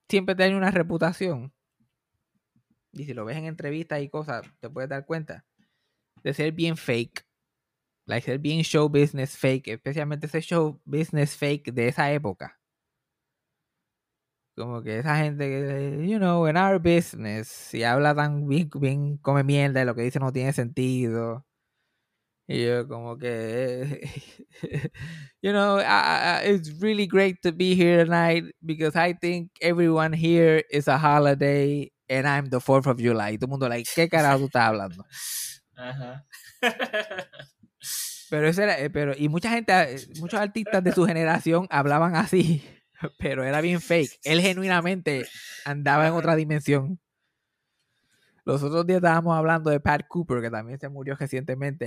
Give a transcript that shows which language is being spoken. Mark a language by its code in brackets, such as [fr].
[es] siempre tiene una reputación. Y si lo ves en entrevistas y cosas, te puedes dar cuenta de ser bien fake. [en] Like, [es] ser bien show business fake. Especialmente ese show business fake de esa época. Como que esa gente que, [en] you know, in our business. [es] Y habla tan bien, bien come mierda y lo que dice no tiene sentido. Y yo como que, [en] you know, it's really great to be here tonight because I think everyone here is a holiday and I'm the 4th of July. [es] Y todo el mundo like, ¿qué carajo tú estás hablando? Uh-huh. Pero eso era, pero, y mucha gente, muchos artistas de su generación hablaban así, pero era bien fake. Él genuinamente andaba en otra dimensión. Los otros días estábamos hablando de Pat Cooper, que también se murió recientemente.